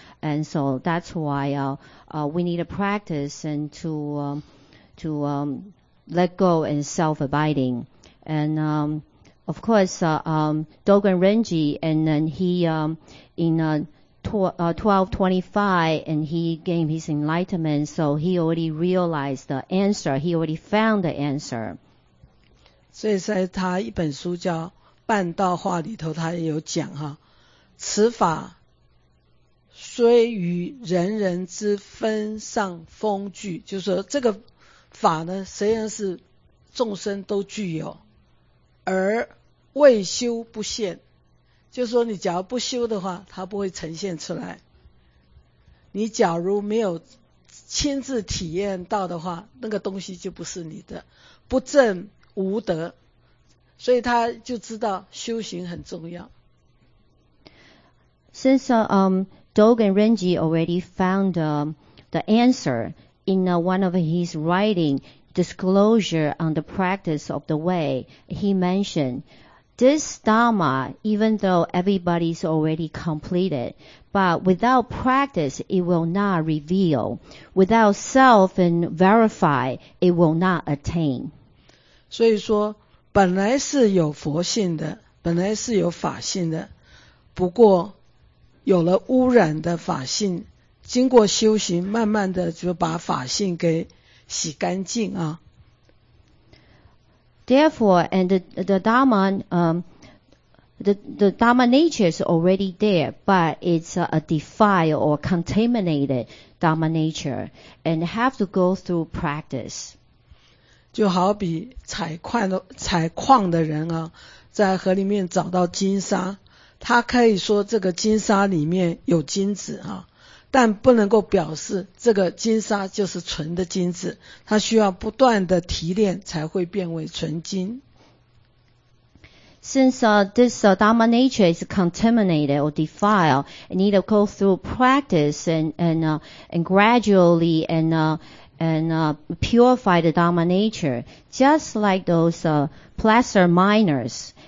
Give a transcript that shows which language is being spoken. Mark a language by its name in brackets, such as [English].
[English] And so that's why we need a practice and to let go and self-abiding. And of course, Dogen Renji, and then he in 1225, and he gained his enlightenment, so he already realized the answer. He already found the answer. [Chinese] 所以在他一本书叫《半道话》里头，他也有讲哈，此法虽与人人之分上风具，就是说这个法呢，虽然是众生都具有，而未修不现。就是说你假如不修的话，它不会呈现出来。你假如没有亲自体验到的话，那个东西就不是你的，不证无德。所以他就知道修行很重要。 [English] Since Dogen Renji already found the answer in one of his writing disclosure on the practice of the way, he mentionedThis Dharma, even though everybody's already completed, but without practice, it will not reveal. Without self and verify, it will not attain. [Chinese] 所以说，本来是有佛性的，本来是有法性的，不过有了污染的法性，经过修行，慢慢的就把法性给洗干净啊。 [English] Therefore, and the Dharma nature is already there, but it's a defile or contaminated. Dharma nature and have to go through practice. [Chinese] 就好比采矿的人啊，在河里面找到金沙，他可以说这个金沙里面有金子啊，但不能够表示这个金沙就是纯的金子，它需要不断的提炼才会变为纯金。 [English] Since this Dharma nature is contaminated or defiled, it need to go through practice and gradually and purify the Dharma nature, just like those placer miners.